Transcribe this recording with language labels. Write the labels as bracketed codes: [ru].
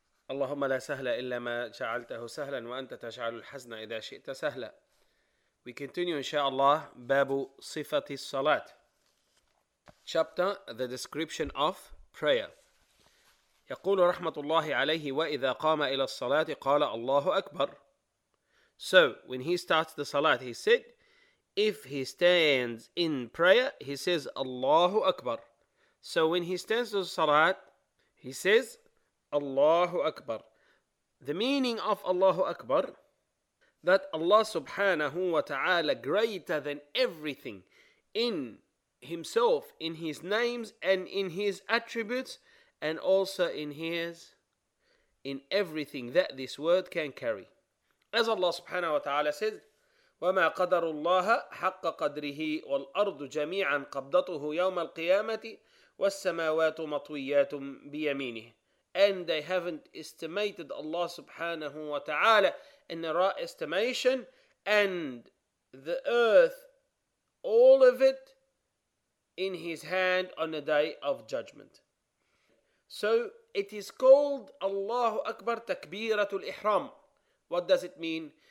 [ar] اللهم لا سهل إلا ما جعلته سهلا، وأنت تجعل الحزن إذا شئت سهلا. [en] We continue إن شاء الله باب صفة الصلاة. Chapter The Description of Prayer. [ar] يقول رحمة الله عليه: وإذا قام إلى الصلاة قال الله أكبر. [en] So when he starts the salat, he said, if he stands in prayer, he says Allahu Akbar. So when he stands to the salat, he says Allahu Akbar. The meaning of Allahu Akbar, that Allah subhanahu wa ta'ala greater than everything in himself, in his names and in his attributes, and also in his, in everything that this word can carry. As Allah subhanahu wa ta'ala says, [ar] وَمَا قَدَرُ اللَّهَ حَقَّ قَدْرِهِ وَالْأَرْضُ جَمِيعًا قَبْضَتُهُ يَوْمَ الْقِيَامَةِ وَالسَّمَاوَاتُ مَطْوِيَّاتٌ بِيَمِينِهِ. [en] And they haven't estimated Allah subhanahu wa ta'ala in a right estimation, and the earth, all of it, in his hand on the day of judgment. So it is called Allahu Akbar takbiratul ihram. What does it mean?